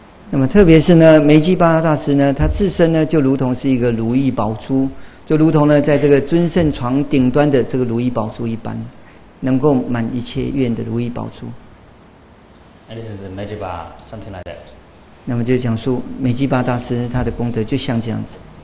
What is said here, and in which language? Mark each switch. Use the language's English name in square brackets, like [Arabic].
[Chinese] 那么特别是呢，梅基巴大师呢，他自身呢就如同是一个如意宝珠，就如同呢在这个尊胜床顶端的这个如意宝珠一般，能够满一切愿的如意宝珠。 [English] And this is a Mitriba, something like that. [Chinese] 那么就讲述梅基巴大师他的功德就像这样子。